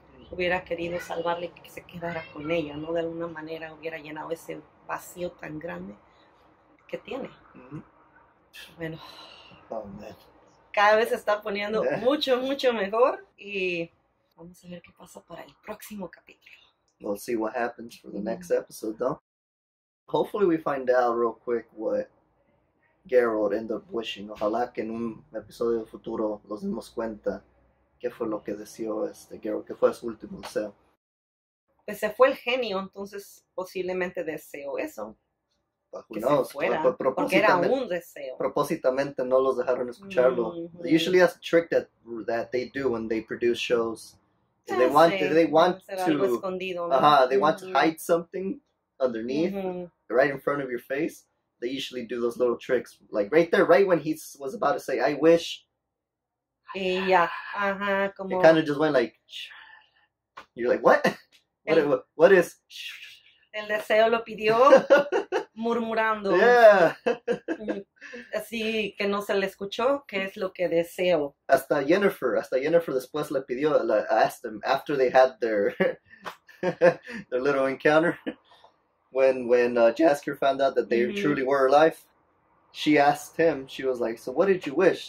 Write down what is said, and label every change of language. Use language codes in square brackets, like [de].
[es] Hubiera querido salvarle y que se quedara con ella, ¿no? De alguna manera hubiera llenado ese vacío tan grande que tiene. Mm-hmm. Bueno. [en] Oh, man. [es] Cada vez se está poniendo mucho, mucho mejor. Y vamos a ver qué pasa para el próximo capítulo. [en] We'll see what happens for the next episode, though. Hopefully we find out real quick what Geralt ended up wishing. [es] Ojalá que en un episodio futuro nos demos cuenta. ¿Qué fue lo que deseó este Geralt? ¿Qué fue su último deseo? Pues se fue el genio, entonces posiblemente deseó eso. Bueno, porque era un deseo. Propósitamente no los dejaron escucharlo. Mm-hmm. [en] Usually that's a trick that they do when they produce shows. [es] Ya [en] they want, they want to, [es] algo escondido, ¿no? [en] Uh-huh, they want mm-hmm. to hide something underneath, mm-hmm. right in front of your face. They usually do those little tricks, like right there, right when he was about to say, I wish. Yeah. Uh-huh. Como... It kind of just went like, you're like, what? What is? [es] El deseo lo pidió murmurando. [en] Yeah. [es] Así que no se le escuchó, ¿qué es lo que deseo? Hasta Yennefer después le pidió, [en] asked him after they had their their little encounter. when Jaskier found out that they truly were alive, she asked him, she was like, so what did you wish?